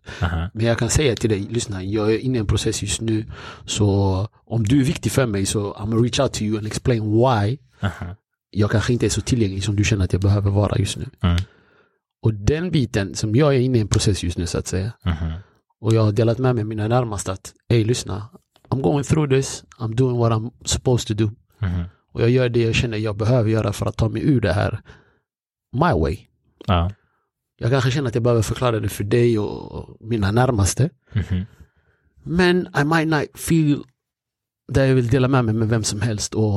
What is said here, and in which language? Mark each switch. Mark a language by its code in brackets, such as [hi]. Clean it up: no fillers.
[sv] Uh-huh. Men jag kan säga till dig, lyssna, jag är inne i en process just nu, så om du är viktig för mig, så [en] I'm gonna reach out to you and explain why. Uh-huh. [sv] Jag kanske inte är så tillgänglig som du känner att jag behöver vara just nu. Uh-huh. Och den biten, som jag är inne i en process just nu, så att säga. Uh-huh. Och jag har delat med mig mina närmaste att, hey, lyssna, [en] I'm going through this, I'm doing what I'm supposed to do. Uh-huh. [sv] Och jag gör det jag känner jag behöver göra för att ta mig ur det här [en] my way. [sv] Ja. Jag kanske känner att jag behöver förklara det för dig och mina närmaste. Mm-hmm. Men [en] I might not feel that [sv] jag vill dela med mig med vem som helst.